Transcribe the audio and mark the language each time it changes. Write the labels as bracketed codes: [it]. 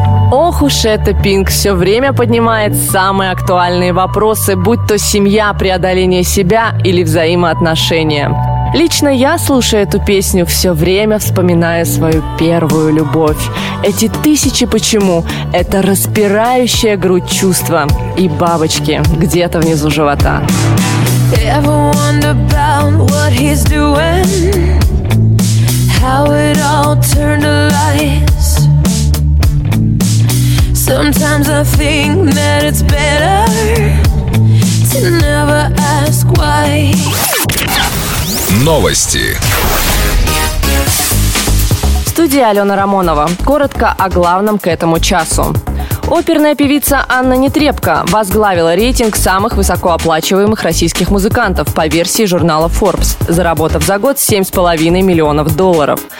[ru] Ох уж это Pink все время поднимает самые актуальные вопросы, будь то семья, преодоление себя или взаимоотношения. Лично я, слушая эту песню, все время вспоминаю свою первую любовь. Эти тысячи почему – это распирающая грудь чувства и бабочки где-то внизу живота. [en] Ever wonder about what he's doing? How it all turned to lies? Sometimes I think that it's better to never ask why. [ru] Новости. В студии Алена Рамонова. Коротко о главном к этому часу. Оперная певица Анна Нетребко возглавила рейтинг самых высокооплачиваемых российских музыкантов по версии журнала Forbes, заработав за год 7,5 миллионов долларов.